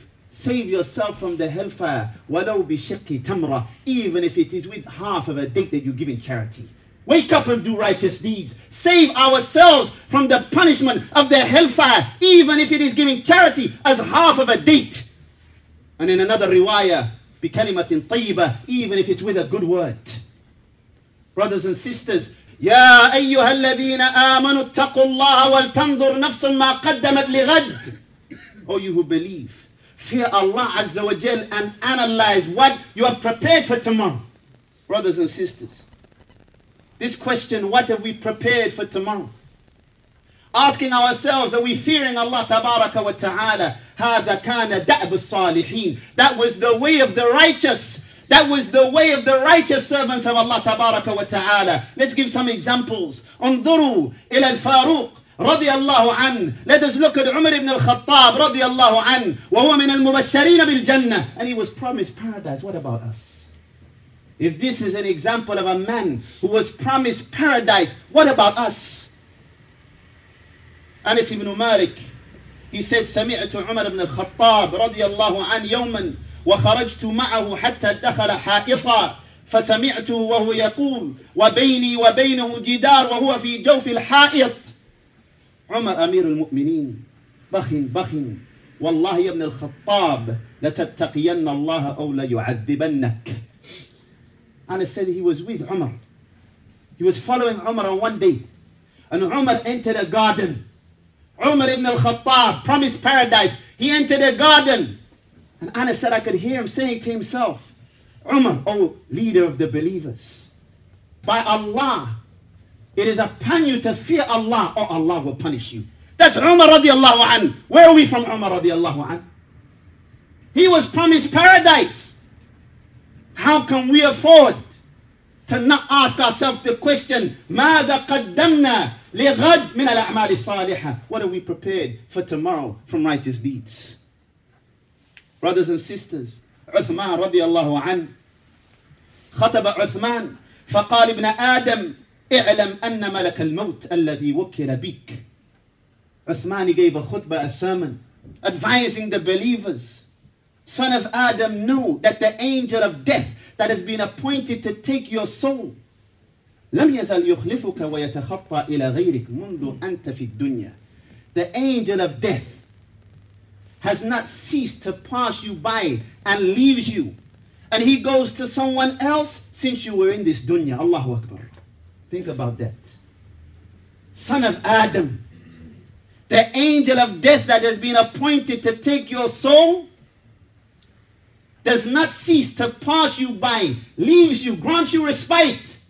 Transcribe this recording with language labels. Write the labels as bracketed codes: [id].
[en] Save yourself from the hellfire, [ar] وَلَوْ بِشِقِّ [en] tamra, even if it is with half of a date that you give in charity. Wake up and do righteous deeds. Save ourselves from the punishment of the hellfire, even if it is giving charity as half of a date. And in another riwayah, [ar] بِكَلِمَةٍ طَيِّبَةٍ, [en] even if it's with a good word. Brothers and sisters, [ar] يَا أَيُّهَا الَّذِينَ آمَنُوا اتَّقُوا اللَّهَ وَالْتَنْظُرْ نَفْسٌ مَا قَدَّمَتْ لِغَدٍ. [en] O you who believe, fear Allah Azza wa Jal and analyze what you have prepared for tomorrow. Brothers and sisters, this question, what have we prepared for tomorrow? Asking ourselves, are we fearing Allah Tabaraka wa Ta'ala? [ar] هَذَا كَانَ دَعْبُ الصَّالِحِينَ. [en] That was the way of the righteous. That was the way of the righteous servants of Allah Tabaraka wa Ta'ala. Let's give some examples. [ar] انظروا إلى الفاروق رضي الله عنه. [en] Let us look at Umar ibn al-Khattab رضي الله عنه. [ar] وهو من المبشرين بالجنة. [en] And he was promised paradise. What about us? If this is an example of a man who was promised paradise, what about us? [ar] Anas ibn Malik, [en] he said, [ar] سمعت عمر بن الخطاب رضي الله عنه يوما وخرجت معه حتى دخل حائطا فسمعته وهو يقول وبيني وبينه جدار وهو في جوف الحائط. عمر أمير المؤمنين بخن والله يا ابن الخطاب لتتقين الله أو ليعذبنك. [en] And it said he was with Umar. He was following Umar on one day. And Umar entered a garden. Umar ibn al-Khattab, promised paradise. He entered a garden. And Anas said, I could hear him saying to himself, Umar, O leader of the believers, by Allah, it is upon you to fear Allah, or Allah will punish you. That's Umar radiallahu anhu. Where are we from Umar radiallahu anhu? He was promised paradise. How can we afford to not ask ourselves the question, [ar] ماذا قدمنا لغد من الأعمال الصالحة? [en] What are we prepared for tomorrow from righteous deeds? Brothers and sisters, [ar] عثمان رضي الله عنه خطب عثمان فقال ابن آدم اعلم أن ملك الموت الذي وكل بك. [en] Uthman gave a khutbah, a sermon, advising the believers, son of Adam, know that the angel of death that has been appointed to take your soul, [ar] لم يزل يخلفك ويتخطى إلى غيرك منذ أنت في الدنيا. [en] The angel of death has not ceased to pass you by and leaves you, and he goes to someone else since you were in this dunya. Allahu Akbar. Think about that. Son of Adam, the angel of death that has been appointed to take your soul does not cease to pass you by, leaves you, grants you respite.